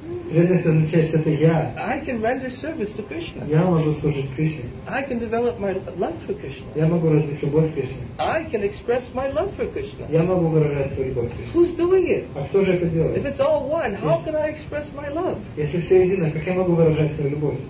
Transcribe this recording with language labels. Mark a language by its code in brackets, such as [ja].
[ru] Преданность означает, что это я. [en] I can render service to Krishna. [ru] Я могу служить Кришне. [en] I can develop my love for Krishna. [ru] Я могу развить любовь к Кришне. [en] I can express my love for Krishna. [ru] Я могу выражать свою любовь к Кришне. [en] Who's doing it? [ru] А кто же это делает? [en] If it's all one, how can I express my love? [ru] Если все едино, как я могу выражать свою любовь?